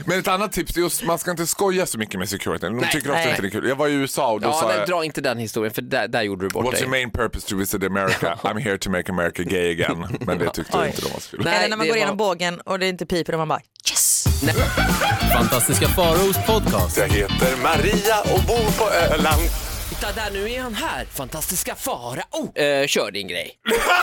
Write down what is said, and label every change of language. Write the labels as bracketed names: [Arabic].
[Swedish] Men ett annat tips är just, man ska inte skoja så mycket med [English] security. [Swedish] De tycker ofta inte det är kul. Jag var i USA och då ja, sa nej, jag, dra inte den historien, för där gjorde du bort [English] what's [Swedish] dig. [English] What's your main purpose to visit America? I'm here to make America gay again. [Swedish] Men det tyckte inte de var så kul. Nej, när man går igenom bågen och det inte piper och man bara, yes! Nej. Fantastiska Faraos podcast. Jag heter Maria och bor på Öland. Titta där, nu är han här. Fantastiska Farao. Kör din grej. Jag